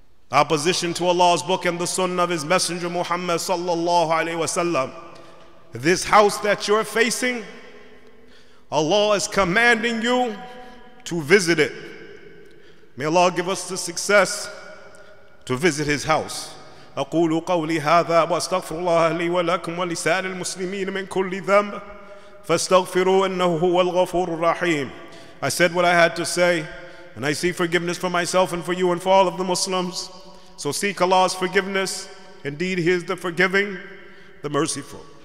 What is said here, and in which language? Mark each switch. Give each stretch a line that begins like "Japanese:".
English: Opposition to Allah's book and the sunnah of his messenger Muhammad sallallahu alayhi wa sallam. This house that you're facing, Allah is commanding you to visit it. May Allah give us the success to visit His house.
Arabic: أقول قولي هذا وأستغفر الله لي ولكم ولسائر المسلمين من كل ذنب فاستغفروا إنه هو الغفور الرحيم.
English: I said what I had to say, and I seek forgiveness for myself and for you and for all of the Muslims. So seek Allah's forgiveness. Indeed, He is the forgiving, the merciful.